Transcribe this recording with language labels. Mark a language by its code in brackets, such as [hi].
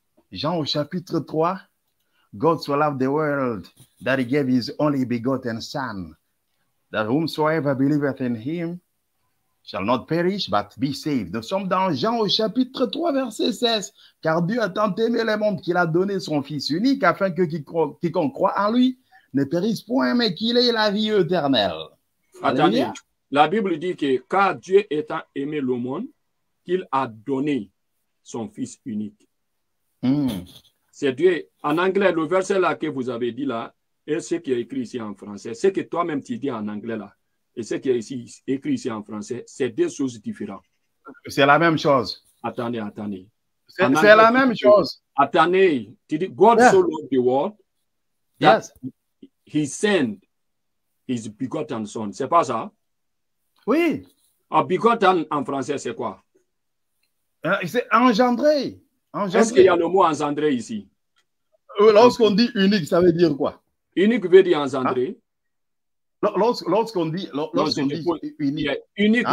[fr] Jean au chapitre 3, [en] God so loved the world that he gave his only begotten son, that whomsoever believeth in him shall not perish but be saved. [fr] Nous sommes dans Jean au chapitre 3, verset 16. Car Dieu a tant aimé le monde qu'il a donné son fils unique afin que quiconque croit en lui ne périsse point mais qu'il ait la vie éternelle. Attendez, la Bible dit que car Dieu étant aimé le monde, qu'il a donné son fils unique. C'est Dieu. En anglais, le verset là que vous avez dit là, et ce qui est écrit ici en français, ce que toi-même tu dis en anglais là, et ce qui est ici, écrit ici en français, c'est deux choses différentes. C'est la même chose. Attendez. C'est la même chose. Attendez. Tu dis, [en] God so loved the world that yes. He sent his begotten son. [fr] C'est pas ça? Oui. Ah, begotten en français, c'est quoi? C'est engendré. Est-ce qu'il y a le mot engendré ici? Lorsqu'on dit unique, ça veut dire quoi? Unique veut dire engendré. Lorsqu'on dit unique,